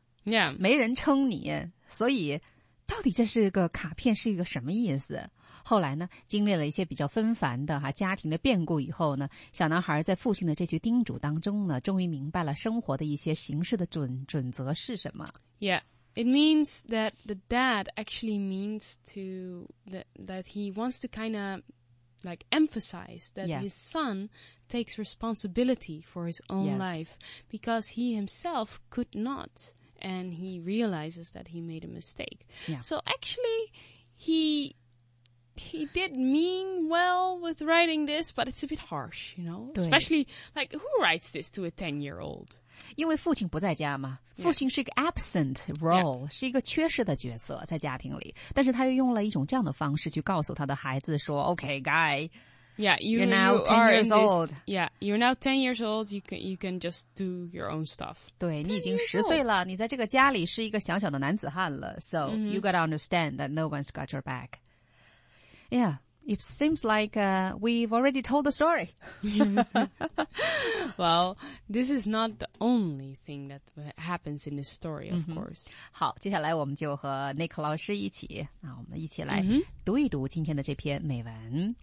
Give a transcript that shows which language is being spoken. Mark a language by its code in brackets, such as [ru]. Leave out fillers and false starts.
[en] Yeah. [zh] 没人撑你所以到底这是个卡片是一个什么意思后来呢，经历了一些比较纷繁的家庭的变故以后呢，小男孩在父亲的这句叮嘱当中呢，终于明白了生活的一些形式的准则是什么。 [en] Yeah, it means that the dad actually means to that he wants to kind of like emphasize that his son takes responsibility for his own life because he himself could not. And he realizes that he made a mistake. Yeah. So actually, he did mean well with writing this, but it's a bit harsh, you know? Especially, like, who writes this to a 10-year-old? [zh] 因为父亲不在家嘛，父亲是一个 [en] absent role, [zh] 是一个缺失的角色在家庭里。但是他又用了一种这样的方式去告诉他的孩子说 [en] okay, guy, you're now 10 years old, you can just do your own stuff. [zh] 对,你已经十岁了,你在这个家里是一个小小的男子汉了。 [en] So, you gotta understand that no one's got your back. Yeah, it seems like we've already told the story. Well, this is not the only thing that happens in this story, of course. [zh] 好,接下来我们就和 Nick 老师一起,我们一起来读一读今天的这篇美文。